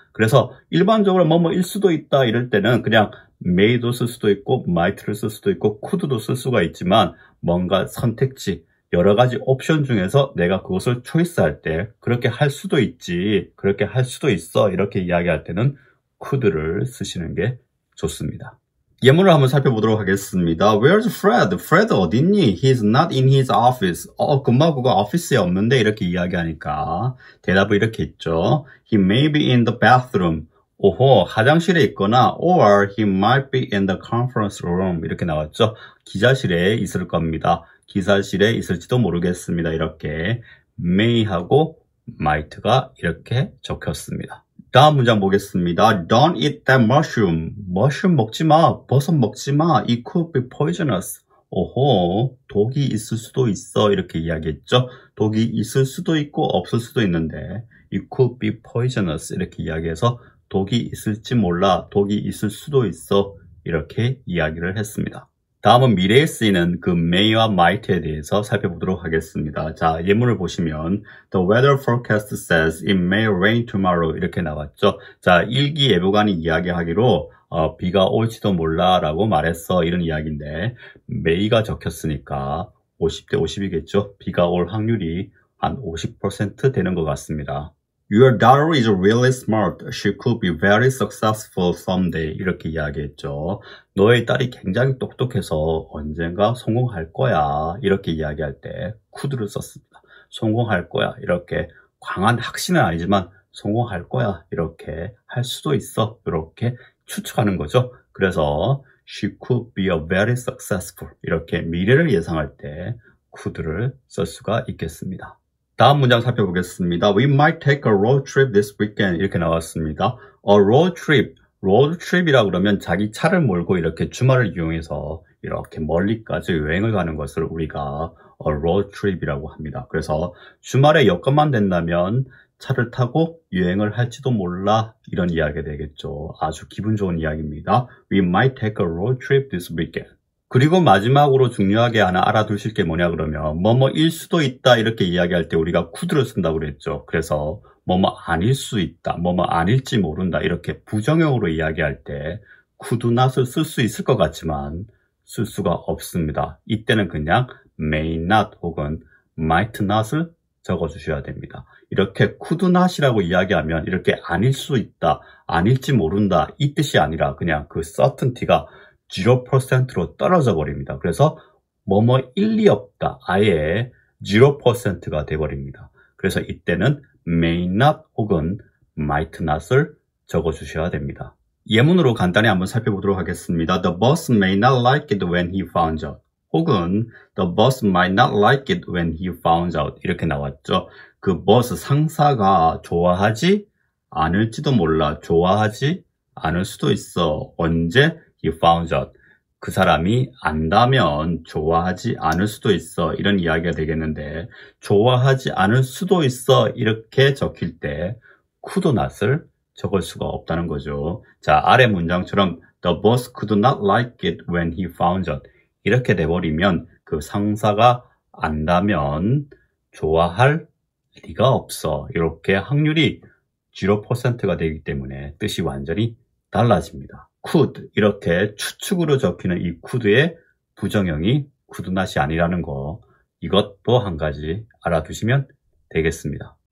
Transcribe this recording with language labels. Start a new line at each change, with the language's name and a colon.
Korean: 그래서 일반적으로 뭐뭐일 수도 있다 이럴 때는 그냥 may도 쓸 수도 있고 might를 쓸 수도 있고 could도 쓸 수가 있지만 뭔가 선택지 여러 가지 옵션 중에서 내가 그것을 초이스할 때 그렇게 할 수도 있지 그렇게 할 수도 있어 이렇게 이야기할 때는 could를 쓰시는 게 좋습니다. 예문을 한번 살펴보도록 하겠습니다.
English: Where's Fred?
Korean: Fred 어딨니?
English: He's not in his office.
Korean: 금방 그거 office에 없는데 이렇게 이야기하니까 대답을 이렇게 했죠.
English: He may be in the bathroom.
Korean: 오호, 화장실에 있거나,
English: or he might be in the conference room.
Korean: 이렇게 나왔죠. 기자실에 있을 겁니다. 기자실에 있을지도 모르겠습니다. 이렇게 may하고 might가 이렇게 적혔습니다. 다음 문장 보겠습니다.
English: Don't eat that mushroom.
Korean: mushroom 먹지 마. 버섯 먹지 마.
English: It could be poisonous.
Korean: 오호, 독이 있을 수도 있어. 이렇게 이야기했죠. 독이 있을 수도 있고 없을 수도 있는데,
English: it could be poisonous.
Korean: 이렇게 이야기해서 독이 있을지 몰라, 독이 있을 수도 있어. 이렇게 이야기를 했습니다. 다음은 미래에 쓰이는 그 may와 might에 대해서 살펴보도록 하겠습니다. 자, 예문을 보시면
English: The weather forecast says it may rain tomorrow.
Korean: 이렇게 나왔죠. 자, 일기 예보관이 이야기하기로 비가 올지도 몰라라고 말했어. 이런 이야기인데 may가 적혔으니까 50대 50이겠죠. 비가 올 확률이 한50% 되는 것 같습니다.
English: Your daughter is really smart. She could be very successful someday.
Korean: 이렇게 이야기했죠. 너의 딸이 굉장히 똑똑해서 언젠가 성공할 거야. 이렇게 이야기할 때 could를 썼습니다. 성공할 거야. 이렇게 광한 확신은 아니지만 성공할 거야. 이렇게 할 수도 있어. 이렇게 추측하는 거죠. 그래서
English: she could be a very successful.
Korean: 이렇게 미래를 예상할 때 could를 쓸 수가 있겠습니다. 다음 문장 살펴보겠습니다.
English: We might take a road trip this weekend.
Korean: 이렇게 나왔습니다.
English: A road trip.
Korean: road trip이라 그러면 자기 차를 몰고 이렇게 주말을 이용해서 이렇게 멀리까지 여행을 가는 것을 우리가 a road trip이라고 합니다. 그래서 주말에 여건만 된다면 차를 타고 여행을 할지도 몰라. 이런 이야기가 되겠죠. 아주 기분 좋은 이야기입니다.
English: We might take a road trip this weekend.
Korean: 그리고 마지막으로 중요하게 하나 알아두실 게 뭐냐 그러면 뭐뭐일 수도 있다 이렇게 이야기할 때 우리가 could를 쓴다고 그랬죠. 그래서 뭐뭐 아닐 수 있다, 뭐뭐 아닐지 모른다 이렇게 부정형으로 이야기할 때 could not을 쓸수 있을 것 같지만 쓸 수가 없습니다. 이때는 그냥 may not 혹은 might not을 적어주셔야 됩니다. 이렇게 could not이라고 이야기하면 이렇게 아닐 수 있다, 아닐지 모른다 이 뜻이 아니라 그냥 그 certainty가 0%로 떨어져 버립니다. 그래서 뭐뭐 일리 없다. 아예 0%가 돼 버립니다. 그래서 이때는 may not 혹은 might not을 적어 주셔야 됩니다. 예문으로 간단히 한번 살펴보도록 하겠습니다.
English: The boss may not like it when he found out.
Korean: 혹은
English: the boss might not like it when he found out.
Korean: 이렇게 나왔죠. 그 boss 상사가 좋아하지 않을지도 몰라. 좋아하지 않을 수도 있어. 언제?
English: He found out.
Korean: 그 사람이 안다면 좋아하지 않을 수도 있어. 이런 이야기가 되겠는데, 좋아하지 않을 수도 있어. 이렇게 적힐 때, could not을 적을 수가 없다는 거죠. 자, 아래 문장처럼,
English: The boss could not like it when he found out.
Korean: 이렇게 돼버리면, 그 상사가 안다면 좋아할 리가 없어. 이렇게 확률이 0%가 되기 때문에 뜻이 완전히 달라집니다. could 이렇게 추측으로 적히는 이 could의 부정형이 could not이 아니라는 거 이것도 한 가지 알아두시면 되겠습니다.